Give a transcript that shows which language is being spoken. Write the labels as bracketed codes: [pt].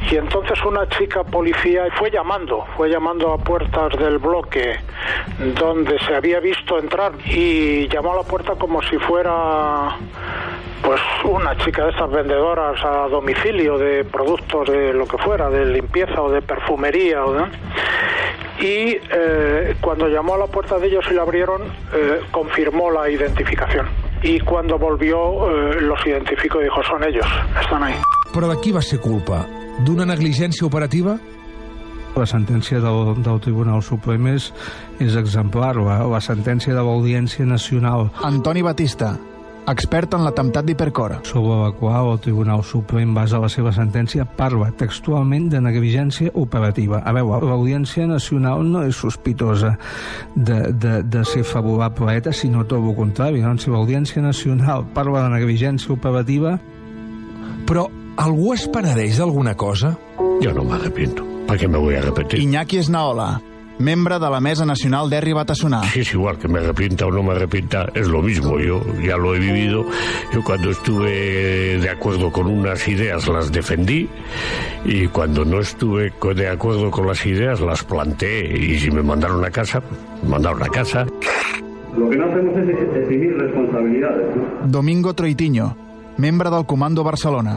[es] Y entonces una chica policía fue llamando a puertas del bloque donde se había visto entrar y llamó a la puerta como si fuera pues una chica de estas vendedoras a domicilio de productos de lo que fuera, de limpieza o de perfumería, ¿no? Y cuando llamó a la puerta de ellos y la abrieron, confirmó la identificación. Y cuando volvió, los identificó y dijo, son ellos, están ahí. [ca] Però de qui va ser culpa? D'una negligència operativa? La sentència del Tribunal Suprem és exemplar, la sentència de l'Audiència Nacional. Antoni Batista, expert en l'atemptat d'Hipercor. Sobre la qual el Tribunal Suprem basa la seva sentència, parla textualment de negligència operativa. A veure, l'Audiència Nacional no és sospitosa de ser favorable a ETA, sinó tot el contrari. No? Si l'Audiència Nacional parla de negligència operativa... Però algú es penedeix d'alguna cosa? Jo no m'arrepinto. Per què me vull arrepentir? Iñaki Esnaola, membre de la Mesa Nacional d'Herri Batasunà. Sí, és igual que m'arrepinta o no m'arrepinta, és [es] lo mismo, yo ya lo he vivido. Yo cuando estuve de acuerdo con unas ideas las defendí y cuando no estuve de acuerdo con las ideas las planteé y si me mandaron a casa, mandaron a casa. Lo que no hacemos es definir responsabilidades, ¿no? [ca] Domingo Troitiño, membre del Comando Barcelona.